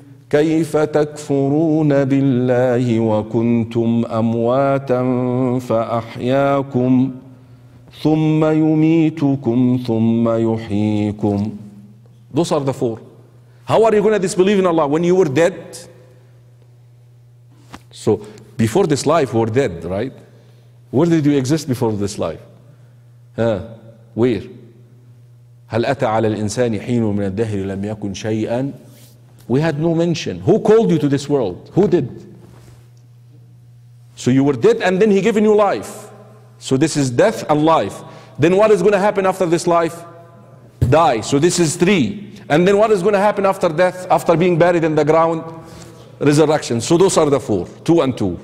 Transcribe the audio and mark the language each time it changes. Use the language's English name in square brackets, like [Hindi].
[Arabic] كيف تكفرون بالله وكنتم أمواتا فأحياكم ثم يميتكم ثم يحييكم. [English] Those are the four. How are you going to disbelieve in Allah when you were dead? So before this life we were dead, right? Where did you exist before this life? Where? [Arabic] هل أتى على الإنسان حين من الدهر لم يكن شيئا. [English] We had no mention. Who called you to this world? Who did? So you were dead and then he given you life. So this is death and life. Then what is going to happen after this life? Die. So this is three. And then what is going to happen after death, after being buried in the ground? Resurrection. So those are the four. Two and two.